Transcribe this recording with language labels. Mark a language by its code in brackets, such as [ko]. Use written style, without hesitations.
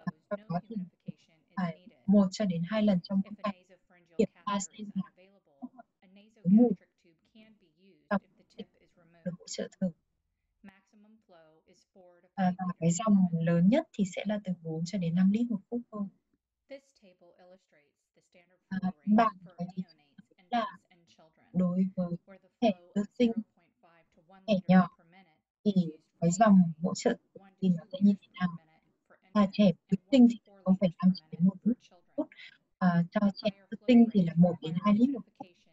[vi] Sau đó thì 1 cho đến 2 lần trong một ngày kiểm tra xem là [en] gastric tube can be used if the tip is removed. Maximum flow is 4 to 5. [vi] Cái dòng lớn nhất thì sẽ là từ 4 cho đến 5 lít một phút thôi. [en] This table illustrates the standard flow rate for neonates and infants and children. [vi] Đối với trẻ sơ sinh, trẻ nhỏ thì cái dòng hỗ trợ thì nó sẽ như thế nào? Và trẻ sơ sinh thì 0,5 đến 1 phút. Cho trẻ sơ sinh thì là 1 đến 2 lít một phút.